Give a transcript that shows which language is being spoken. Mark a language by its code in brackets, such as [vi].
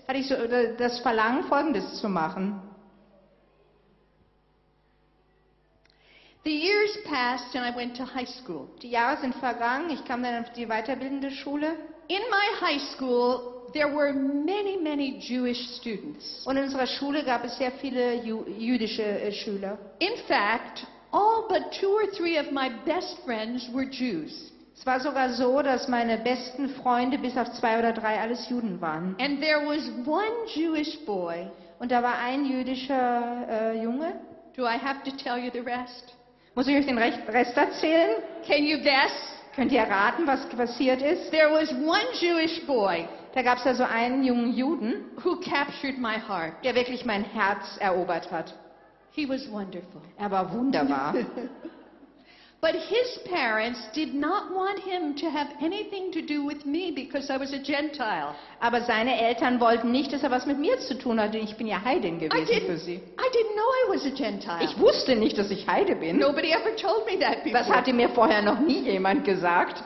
[de] Hatte ich so das Verlangen, Folgendes zu machen. [en] The years passed and I went to high school. [de] Die Jahre sind vergangen, ich kam dann auf die weiterbildende Schule. [en] In my high school there were many, many Jewish students. [de] Und in unserer Schule gab es sehr viele jüdische Schüler. [en] In fact, all but two or three of my best friends were Jews. [de] Es war sogar so, dass meine besten Freunde bis auf zwei oder drei alles Juden waren. [en] And there was one Jewish boy. [de] Und da war ein jüdischer Junge. [en] Do I have to tell you the rest? [de] Muss ich euch den Rest erzählen? [en] Can you guess? [de] Könnt ihr erraten, was passiert ist? [en] There was one Jewish boy, [de] da gab es also einen jungen Juden, [en] who captured my heart. [de] Der wirklich mein Herz erobert hat. [en] He was wonderful. [de] Er war wunderbar. [en] But his parents did not want him to have anything to do with me because I was a Gentile. [de] Aber seine Eltern wollten nicht, dass er was mit mir zu tun hatte. Ich bin ja Heidin gewesen für sie. [en] I didn't know I was a Gentile. [de] Ich wusste nicht, dass ich Heide bin. [en] Nobody ever told me that before. [de] Das hatte mir vorher noch nie jemand gesagt.